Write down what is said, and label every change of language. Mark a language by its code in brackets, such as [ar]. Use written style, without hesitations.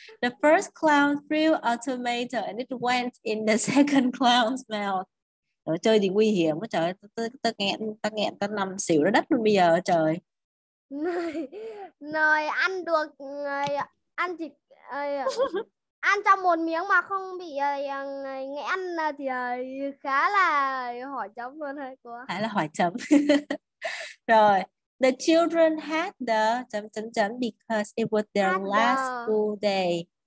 [en] The first clown threw a tomato and it went in the second clown's mouth. [vi] Trời chơi gì nguy hiểm quá trời. Ta nghẹn, ta nằm xỉu ra đất luôn bây giờ trời. Nồi ăn được, ăn thịt, ăn trong một miếng mà không bị nghẹn thì khá là hỏi chấm luôn hay quá. Khá là hỏi chấm. [en] Rồi, the children had the [vi] chấm chấm chấm [en] because it was their last school day.